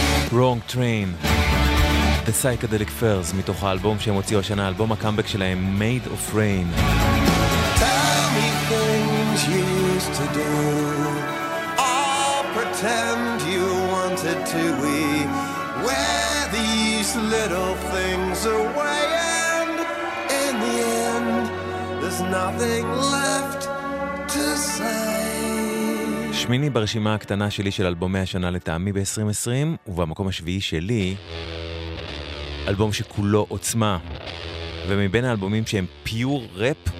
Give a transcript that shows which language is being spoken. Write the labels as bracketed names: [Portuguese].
[Hebrew] Wrong Train, The Psychedelic Furs, מתוך האלבום שהם הוציאו השנה, אלבום הקאמבק שלהם, Made of Rain. [English] Tell me things you used to do, I'll pretend you wanted to be, wear these little things away, and in the end there's nothing left to say. [Hebrew] שמיני ברשימה הקטנה שלי של אלבומי השנה לטעמי ב-2020, ובמקום השביעי שלי, אלבום שכולו עוצמה. ומבין האלבומים שהם פיור רפ,